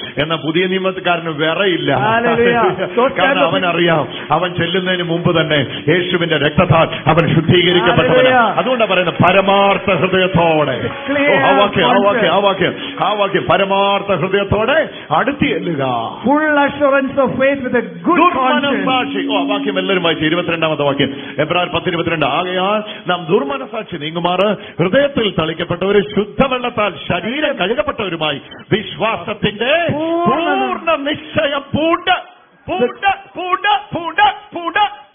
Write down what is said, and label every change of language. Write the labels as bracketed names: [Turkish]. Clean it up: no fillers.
[Malayalam] എന്നാ പുതിയ നിയമക്കാരന് വിറയില്ല, കാരണം അവൻ അറിയാം അവൻ ചെല്ലുന്നതിന് മുമ്പ് തന്നെ യേശുവിന്റെ രക്തത്താൽ അവൻ ശുദ്ധീകരിക്കപ്പെട്ടവന്. അതുകൊണ്ടാ പറയുന്നത് പരമാർത്ഥ ഹൃദയത്തോടെ. ആ വാക്യം പരമാർത്ഥ ഹൃദയത്തോടെ അടുത്ത [English] Full assurance of faith with a good conscience. [Malayalam] ഓ വാക്യം എല്ലാവരും വായിച്ച് 22-ാമത്തെ വാക്യം, എബ്രായർ 10:22, ആകയാൽ നാം ദുർമനസാക്ഷി നീങ്ങുമാറ് ഹൃദയത്തിൽ തളിക്കപ്പെട്ടവരും ശുദ്ധവെള്ളത്താൽ ശരീരം കഴുകപ്പെട്ടവരുമായി വിശ്വാസത്തിന്റെ പൂർണ്ണ നിശ്ചയം പൂണ്ട്